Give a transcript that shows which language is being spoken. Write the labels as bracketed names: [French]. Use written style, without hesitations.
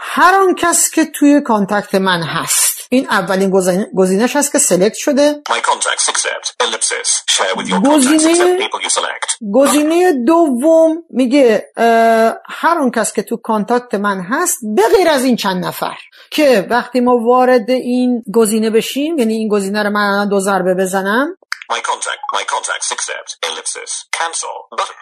[Persian] هر آن کس که توی کانتکت من هست. این اولین گزینش هست که سلکت شده. [English] My contacts accept. Ellipsis. Share with your contacts except people you select. [Persian] گزینه دوم میگه هر اون کس که تو کانتاکت من هست به غیر از این چند نفر. که وقتی ما وارد این گزینه بشیم، یعنی این گزینه رو من الان دو ضربه بزنم. [English] My contacts accept. Ellipsis. Cancel. Button.